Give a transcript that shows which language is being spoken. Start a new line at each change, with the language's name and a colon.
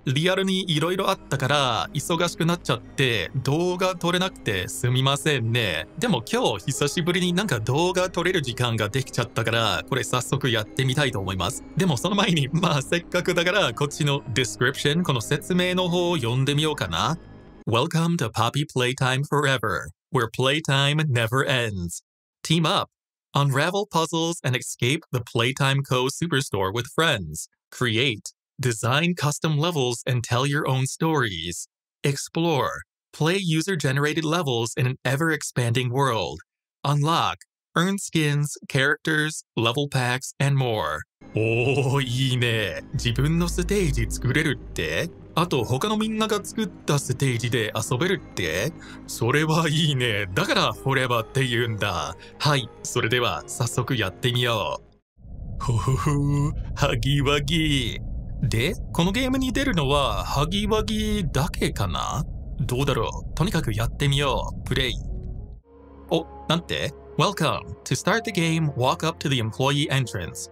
Japanese: リアルにいろいろあったから忙しくなっちゃって動画撮れなくてすみませんね。でも今日久しぶりになんか動画撮れる時間ができちゃったから、これ早速やってみたいと思います。でもその前に、まあせっかくだから、こっちのディスクリプション、この説明の方を読んでみようかな。
English: Welcome to Poppy Playtime Forever, where playtime never ends. Team up! Unravel puzzles and escape the Playtime Co. Superstore with friendsCreate, design custom levels and tell your own stories. Explore, play user-generated levels in an ever-expanding world. Unlock, earn skins, characters, level packs, and more.
Japanese: おー、いいね。自分のステージ作れるって？あと他のみんなが作ったステージで遊べるって？それはいいね。だからフォレバーって言うんだ。はい、それでは早速やってみよう。ほほほ、ハギワギ。で、このゲームに出るのは、ハギワギだけかな？どうだろう？とにかくやってみよう。プレイ。お、なんて？
English: Welcome. To start the game, walk up to the employee entrance.